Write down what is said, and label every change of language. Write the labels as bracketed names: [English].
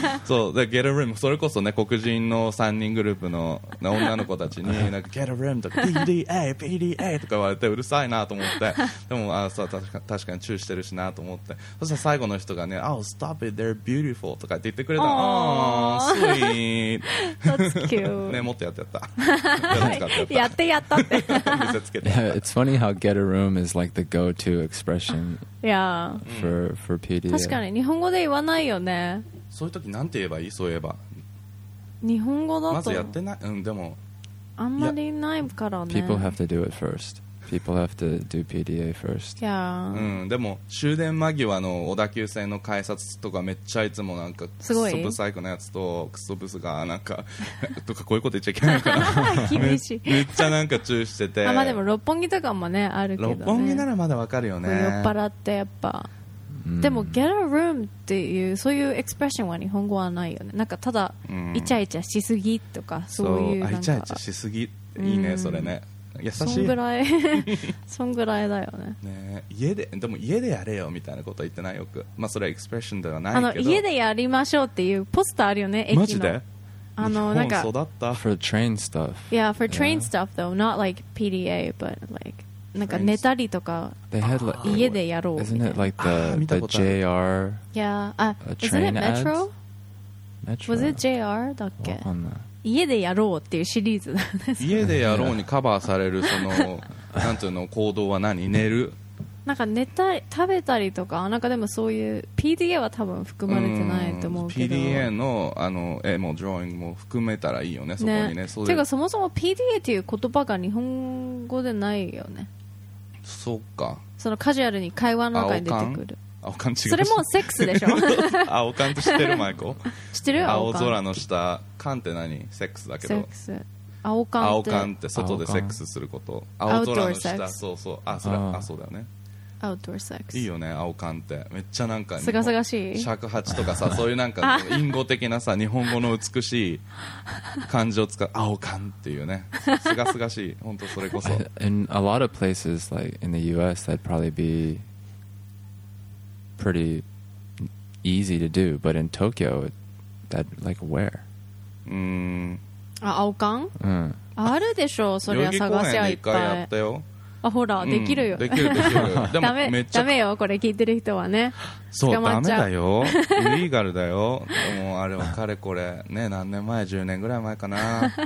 [Japanese] そうで [English] Get a room、 [Japanese] それこそね黒人の3人グループの女の子たちになんか Get a room とか PDA PDA とか言われてうるさいなと思って、でもあそう確かにチューしてるしなと思って、そしたら最後の人がね [English] Oh stop it, they're beautiful [Japanese] とかって言ってくれた。あ [English] ー sweet、 That's cute。 [Japanese] ね、もっとやってやったやってやったって [English] Yeah, it's funny how get a room is like the go-to expression. Yeah. For PDA. [Japanese] 確かに日本語で言わないよね。そういう時なんて言えばいい？そういえば。日本語だと。まずやってない。うん、でも。あんまりないからね。 [English] People have to do it first. People have to do PDA first. Yeah. [Japanese] うん、でも終電間際の小田急線の改札とかめっちゃいつもなんかすごいクソブサイクなやつとクソブスがなんかとかこういうこと言っちゃいけないかな。厳しい。めっちゃなんか注意してて。あ、まあ、でも六本木とかもねあるけどね。六本木ならまだわかるよね。酔っ払ってやっぱ。でも [English] get a room [Japanese] っていうそういうエクスプレッションは日本語はないよね。なんかただイチャイチャしすぎとか、うん、そういうなんか。あ、イチャイチャしすぎ、いいねそれね。優しい。そんぐらい。そんぐらいだよね。ね、でも家でやれよみたいなこと言ってないよく。まあそれはエクスプレッションではないけど。あの家でやりましょうっていうポスターあるよね駅の。マジで？あのなんか。日本育った。 [English] For train stuff. Yeah, for train stuff though, not like PDA, but like. [Japanese] なんか寝たりとか家でやろう。 [English] Isn't it like the JR? Yeah. Isn't it Metro? Metro? Was it JR [Japanese] だっけ？わかんない。家でやろうっていうシリーズなんです。家でやろうにカバーされるそのなんていうの行動は何？寝る？なんか寝たり食べたりとか、なんかでもそういう PDA は多分含まれてないと思うけど、 PDA の、 あの絵もドローイングも含めたらいいよね、そこに ね、そうで、てかそもそも PDA っていう言葉が日本語でないよね。そっか、そのカジュアルに会話の中に出てくる青勘、違う、それもセックスでしょ青勘って知ってる、マイコ知ってる、青空の下、勘って何、セックスだけど、セックス、青勘って、青勘って外でセックスすること、青空の下、そうそう、あ、それ、あ、そうだよね、アウトドアセックス、いいよね、青勘って、めっちゃなんかすがすがしい、尺八とかさ、そういうなんか隠語的なさ日本語の美しい漢字を使う、青勘っていうね、すがすがしい、本当それこそ、 [English] in a lot of places like in the US that'd probably bePretty easy to do, but in Tokyo, that like where? [Japanese] あ、青缶？うん。あるでしょ、それは探せばいっぱい。一回やったよ。あ、ほら、できるよ。できる、できる。でもダメよ、これ聞いてる人はね。そう、ダメだよ。イリーガルだよ。でもあれはかれこれ、ね、何年前、10年ぐらい前かな。